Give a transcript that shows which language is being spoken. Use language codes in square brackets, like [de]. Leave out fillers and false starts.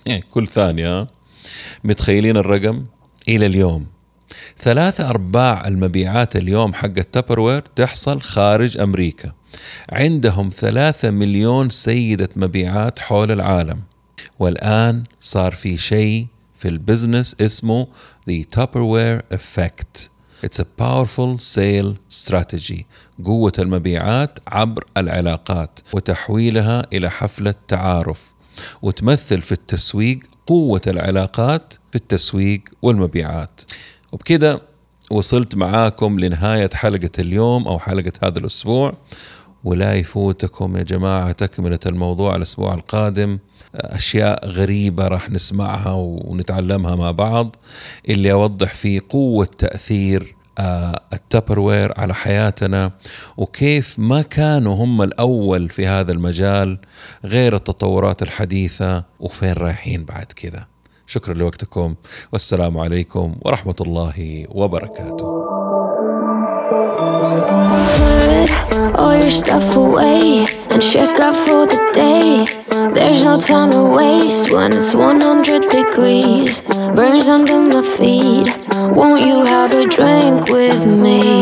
[ar] كل ثانية، متخيلين الرقم؟ إلى اليوم 3/4 المبيعات اليوم حق التابروير تحصل خارج أمريكا. عندهم 3 مليون سيدة مبيعات حول العالم. والآن صار في شيء في البزنس اسمه The Tupperware Effect. [en] It's a powerful sale strategy. [ar] قوة المبيعات عبر العلاقات وتحويلها إلى حفلة تعارف، وتمثل في التسويق قوة العلاقات في التسويق والمبيعات. وبكده وصلت معاكم لنهاية حلقة اليوم أو حلقة هذا الأسبوع، ولا يفوتكم يا جماعة تكملة الموضوع الأسبوع القادم. أشياء غريبة راح نسمعها ونتعلمها مع بعض، اللي أوضح فيه قوة تأثير التابروير على حياتنا، وكيف ما كانوا هم الأول في هذا المجال غير التطورات الحديثة، وفين رايحين بعد كذا. شكرا لوقتكم، والسلام عليكم ورحمة الله وبركاته. [en] Put all your stuff away and check out for the day. There's no time to waste when it's 100 degrees. Burns under my feet. Won't you have a drink with me?